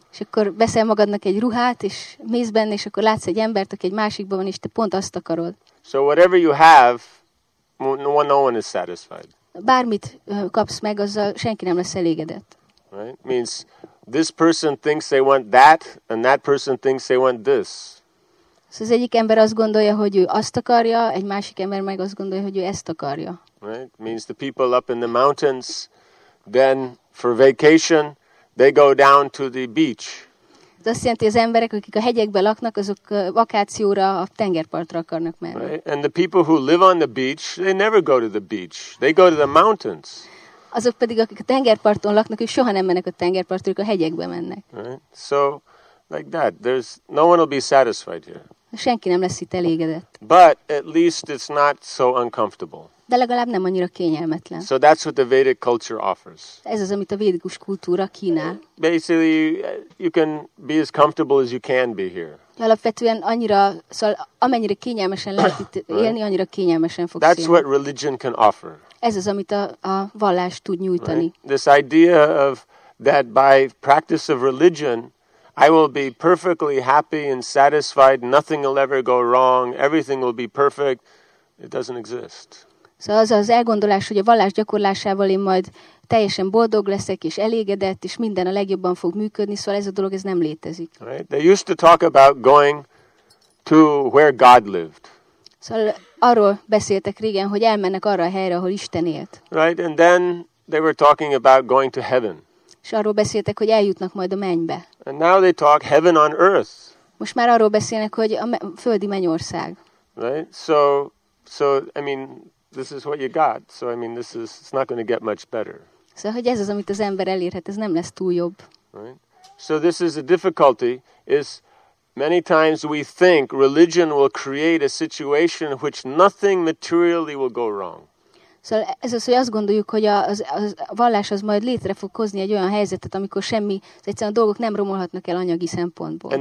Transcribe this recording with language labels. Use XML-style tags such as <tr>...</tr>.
<hu>És akkor veszel magadnak egy ruhát, és mész benne, és akkor látsz egy embert, aki egy másikban van, és te pont azt akarod.</hu> <en>So whatever you have, no one is satisfied.</en> <hu>Bármit kapsz meg, azzal senki nem lesz elégedett.</hu> <en>Right? Means this person thinks they want that, and that person thinks they want this.</en> <hu>Szóval az egyik ember azt gondolja, hogy ő azt akarja, egy másik ember meg azt gondolja, hogy ő ezt akarja.</hu> <en>Right? Means the people up in the mountains, then for vacation, they go down to the beach.</en> <hu>Ez azt jelenti, az emberek, akik a hegyekben laknak, azok vakációra, a tengerpartra akarnak menni.</hu> <en>Right? And the people who live on the beach, they never go to the beach. They go to the mountains.</en> <hu>Azok pedig, akik a tengerparton laknak, ők soha nem mennek a tengerpartra, ők a hegyekbe mennek.</hu> <en>Right? So, like that, there's no one will be satisfied here.</en> <hu>Senki nem lesz itt elégedett.</hu> <en>But at least it's not so uncomfortable.</en> <hu>De legalább nem annyira kényelmetlen.</hu> <en>So that's what the Vedic culture offers.</en> <hu>Ez az, amit a védikus kultúra kínál.</hu> <en>Basically, you can be as comfortable as you can be here.</en> <hu>Alapvetően annyira, szóval amennyire kényelmesen lehet itt élni, annyira kényelmesen fogsz</hu> <en>That's</en> <hu>élni.</hu> <en>What religion can offer.</en> <hu>Ez az, amit a vallás tud nyújtani.</hu> <en>Right? This idea of that by practice of religion, I will be perfectly happy and satisfied. Nothing will ever go wrong. Everything will be perfect. It doesn't exist.</en> <hu>So az az elgondolás, hogy a vallás gyakorlásával én majd teljesen boldog leszek és elégedett, és minden a legjobban fog működni, szóval ez a dolog ez nem létezik.</hu> <en>Right? They used to talk about going to where God lived.</en> <hu>Szóval arról beszéltek régen, hogy elmennek arra a helyre, ahol Isten élt.</hu> <en>Right? And then they were talking about going to heaven.</en> <hu>És arról beszéltek, hogy eljutnak majd a mennybe.</hu> <en>And now they talk heaven on earth.</en> <hu>Most már arról beszélnek, hogy a földi mennyország.</hu> <en>Right? So I mean, this is what you got. So I mean, it's not going to get much better.</en> <hu>Szóval, hogy ez az, amit az ember elérhet, ez nem lesz túl jobb.</hu> <en>Right? So this is a difficulty, is many times we think religion will create a situation which nothing materially will go wrong.</en> <hu>Szóval ez az, hogy azt gondoljuk, hogy a vallás az majd létre fog hozni egy olyan helyzetet, amikor semmi, egyszerűen a dolgok nem romolhatnak el anyagi szempontból.</hu>